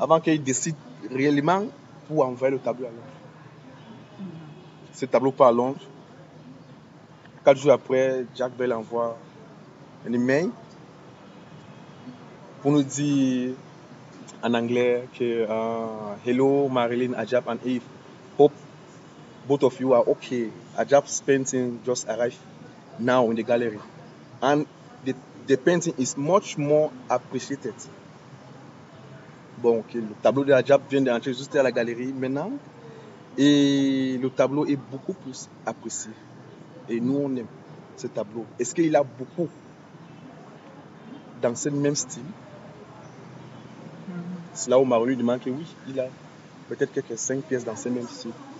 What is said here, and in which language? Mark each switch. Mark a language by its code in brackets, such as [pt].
[fr] avant qu'elle décide réellement pour envoyer le tableau à Londres. Mm-hmm. Ce tableau part à Londres. 4 jours après, Jack Bell envoie un email pour nous dire en anglais que [en] Hello Marilyn, Ajab and Eve. Hope both of you are okay. Ajab's painting just arrived now in the gallery. And the painting is much more appreciated. [fr] Bon, okay, le tableau de Ajab vient d'entrer juste à la galerie maintenant. Et le tableau est beaucoup plus apprécié. Et nous, on aime ce tableau. Est-ce qu'il a beaucoup dans ce même style? Mm-hmm. C'est là où Marilyn lui demande que oui, il a peut-être quelques 5 pièces dans ce même style.